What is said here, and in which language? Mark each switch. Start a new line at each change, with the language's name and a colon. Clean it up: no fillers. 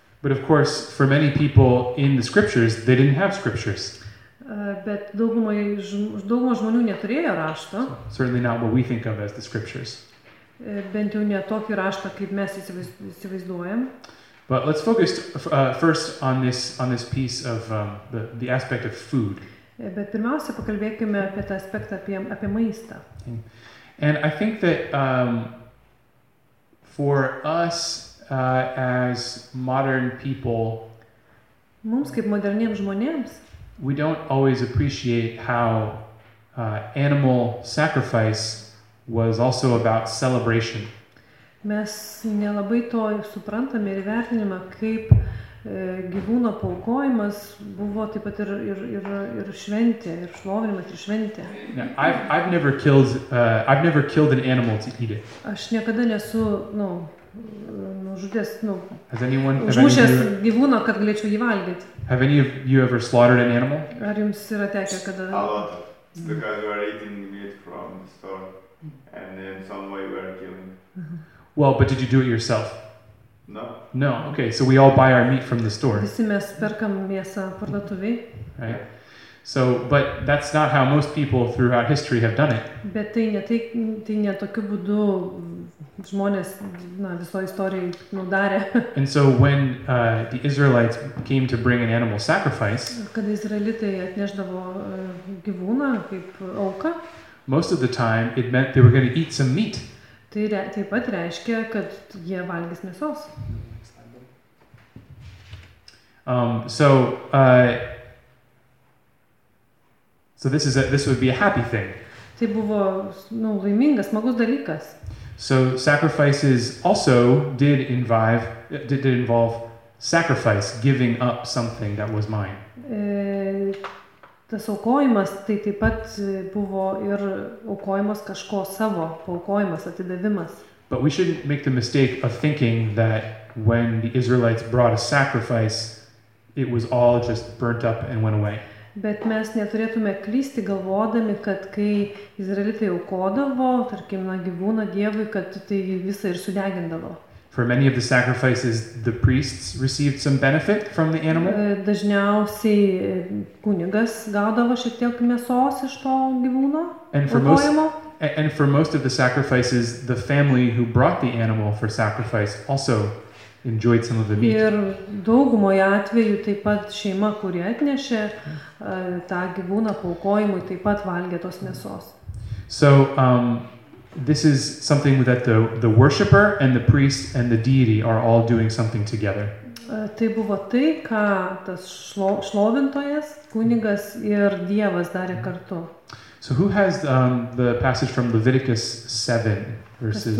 English: But of course, for many people in the scriptures, they didn't have scriptures.
Lithuanian: Bet dauguma žmonių neturėjo rašto.
English: So, certainly not what we think of as the scriptures.
Lithuanian: Bent jau ne tokį raštą, kaip mes įsivaizduojam.
English: But let's focus first on this piece of the aspect of food.
Lithuanian: Bet pirmiausia pakalbėkime apie tą aspektą, apie maistą.
English: And I think that for us as modern people,
Lithuanian: mums kaip moderniems žmonėms,
English: we don't always appreciate how animal sacrifice was also about celebration.
Lithuanian: Mes nelabai to suprantame ir vertinimą, kaip gyvūno paukojimas buvo taip pat ir šventė, ir šlovinimas, ir šventė.
English: I've never killed an animal to eat it.
Lithuanian: Aš niekada nesu, nužudęs, užmušęs gyvūną, kad galėčiau jį valgyti.
English: Have any of you ever slaughtered an animal?
Lithuanian: Ar jums yra tekę kada?
English: A lot. Because we are eating meat from the store. And in some way we are killing. Well, but did you do it yourself? No. No, okay, so we all buy our meat from the store.
Lithuanian: Visi mes perkam mėsą parduotuvėje.
English: Right. So, but that's not how most people throughout history have done it.
Lithuanian: Bet tai ne tokiu būdu žmonės, na, viso istorijai nudarė.
English: And so when the Israelites came to bring an animal sacrifice,
Lithuanian: kad Izraelitai atnešdavo gyvūną kaip auką,
English: most of the time it meant they were going to eat some meat.
Lithuanian: Tai taip pat reiškia, kad jie valgys mėsos.
English: So this is this would be a happy thing.
Lithuanian: Tai buvo, nu, laimingas, smagus dalykas.
English: So sacrifices also did involve sacrifice, giving up something that was mine.
Lithuanian: Tas aukojimas tai taip pat buvo ir aukojimas kažko savo, paukojimas, atidavimas.
English: But we shouldn't make the mistake of thinking that when the Israelites brought a sacrifice, it was all just burnt up and went away.
Lithuanian: Bet mes neturėtume klysti galvodami, kad kai Izraelitai aukodavo, tarkim, na, gyvūną Dievui, kad tai visa ir sudegindavo.
English: For many of the sacrifices, the priests received some benefit from the animal.
Lithuanian: Dažniausiai kunigas gaudavo šiek tiek mėsos iš to gyvūno.
English: And for most of the sacrifices, the family who brought the animal for sacrifice also enjoyed some of the meat.
Lithuanian: Ir daugumoje atveju taip pat šeima, kuri atnešė tą gyvūną paukojimui, taip pat valgė tos mėsos.
English: So, this is something that the worshipper and the priest and the deity are all doing something together.
Lithuanian: Tai buvo tai, ką tas šlovintojas, kunigas ir Dievas darė kartu.
English: So who has the passage from Leviticus 7 verses?